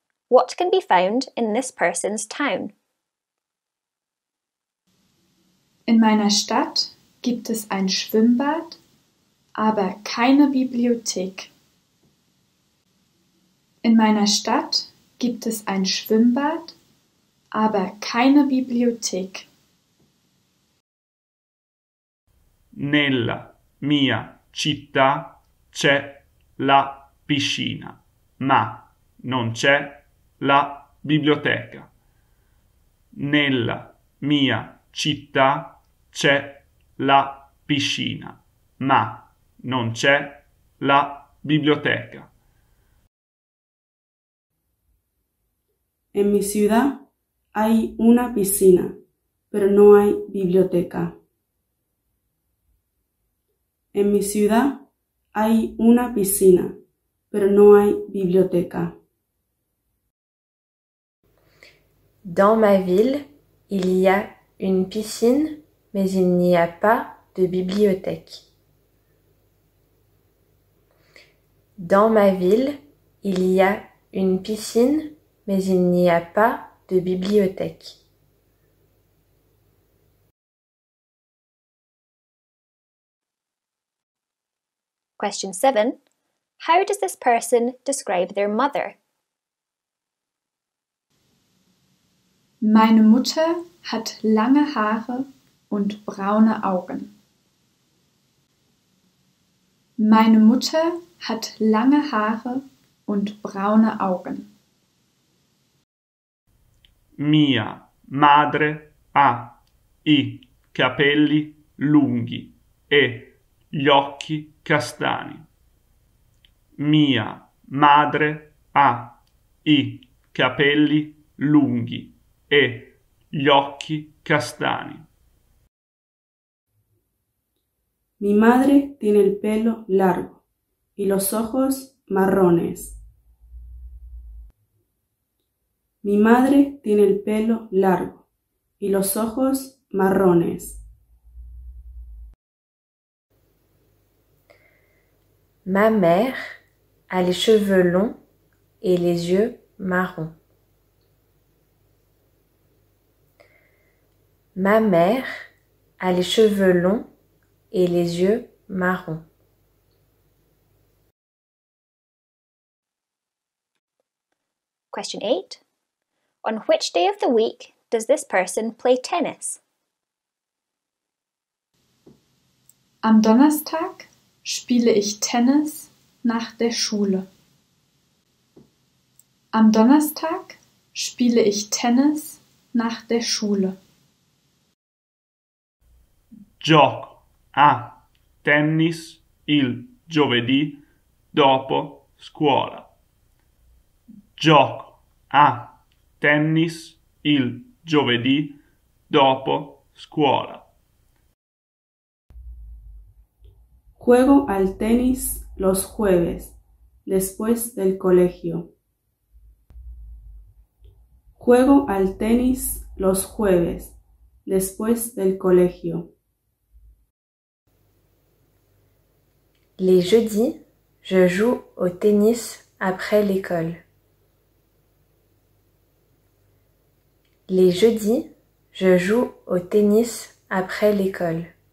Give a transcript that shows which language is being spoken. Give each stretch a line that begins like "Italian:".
English: What can be found in this person's town?
German: In meiner Stadt gibt es ein Schwimmbad, aber keine Bibliothek. In meiner Stadt gibt es ein Schwimmbad, aber keine Bibliothek.
Italian: Nella mia città c'è la piscina, ma non c'è la biblioteca. Nella mia città c'è la piscina, ma non c'è la biblioteca.
Spanish: En mi ciudad hay una piscina, pero no hay biblioteca. En mi ciudad hay una piscina, pero no hay biblioteca.
French: Dans ma ville, il y a une piscine, mais il n'y a pas de bibliothèque. Dans ma ville, il y a une piscine, mais il n'y a pas de bibliothèque.
English: Question 7. How does this person describe their mother?
German: Meine Mutter hat lange Haare und braune Augen. Meine Mutter hat lange Haare und braune Augen.
Italian: Mia madre ha i capelli lunghi e gli occhi castani. Mia madre ha i capelli lunghi e gli occhi castani.
Spanish: Mi madre tiene el pelo largo y los ojos marrones. Mi madre tiene el pelo largo y los ojos marrones.
French: Ma mère a les cheveux longs et les yeux marrons. Ma mère a les cheveux longs et les yeux marrons.
English: Question 8. On which day of the week does this person play tennis?
German: Am Donnerstag spiele ich Tennis nach der Schule. Am Donnerstag spiele ich Tennis nach der Schule.
Italian: Gioco a tennis il giovedì dopo scuola. Gioco a tennis il giovedì dopo scuola.
Spanish: Juego al tenis los jueves, después del colegio. Juego al tenis los jueves, después del colegio.
French: Les jeudis, je joue au tennis après l'école. Les jeudis, je joue au tennis après l'école.